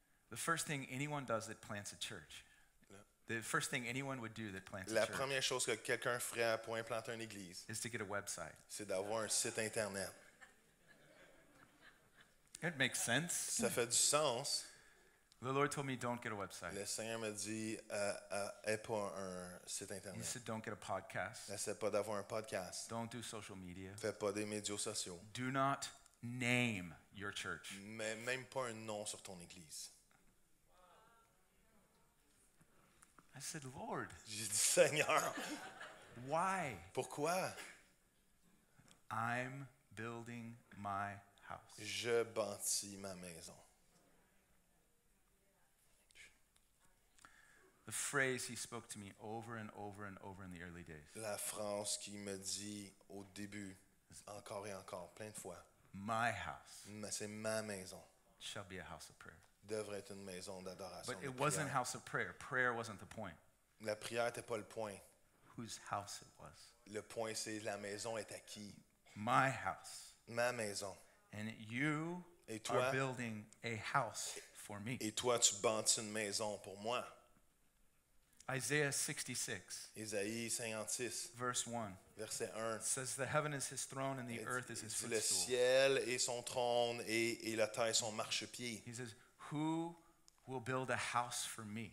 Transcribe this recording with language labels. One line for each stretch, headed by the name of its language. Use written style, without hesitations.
English: The first thing anyone does that plants a church. The first thing anyone would do that plants
French: la première chose que quelqu'un ferait pour implanter une église,
English: is to get a website.
French: C'est d'avoir un site internet.
English: It makes sense.
French: Ça fait du sens.
English: The Lord told me don't get a website.
French: Le Seigneur m'a dit pas un site internet.
English: He said don't get a podcast.
French: N'essaie pas d'avoir un podcast.
English: Don't do social media.
French: Fais pas des médias sociaux.
English: Do not name your church.
French: Mais même pas un nom sur ton église.
English: I said, Lord.
French: J'ai dit, Seigneur.
English: Why?
French: Pourquoi?
English: I'm building my house.
French: Je bâtis ma maison.
English: The phrase he spoke to me over and over and over in the early days.
French: La phrase qu'il me dit au début, encore et encore, plein de fois.
English: My house.
French: Mais c'est ma maison.
English: Shall be a house of prayer.
French: Devrait être une maison d'adoration.
English: But it wasn't a house of prayer. Prayer wasn't the point.
French: La prière n'était pas le point.
English: Whose house it was.
French: Le point, c'est la maison est à qui.
English: My house.
French: Ma maison.
English: And you
French: et toi,
English: are building a house for me.
French: Et toi, tu bâtis une maison pour moi.
English: Isaiah 66.
French: Isaïe 56.
English: Verse 1.
French: Verset 1.
English: Says the heaven is his throne and the earth is his footstool.
French: Le ciel est son trône et la terre est son marchepied.
English: He says, who will build a house for me?